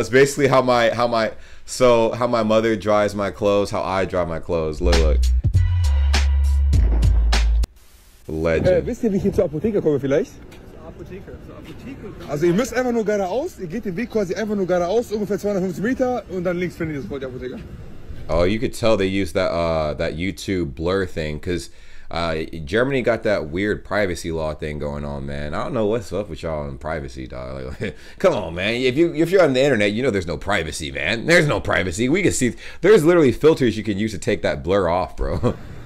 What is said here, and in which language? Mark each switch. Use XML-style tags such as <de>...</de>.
<en>It's basically how my mother dries my clothes, how I dry my clothes. Look. Legend.</en> <de>Wisst ihr, wie ich hier zur Apotheke komme vielleicht? Apotheke. Also ihr müsst einfach nur geradeaus, ihr geht den Weg quasi einfach nur geradeaus, ungefähr 250 Meter und dann links findet ihr sofort die Apotheke.</de> <en>Oh, you could tell they use that YouTube blur thing, because Germany got that weird privacy law thing going on, man. I don't know what's up with y'all in privacy, dog. Like, come on, man. If you're on the internet, you know there's no privacy, man. There's no privacy. We can see. There's literally filters you can use to take that blur off, bro.</en>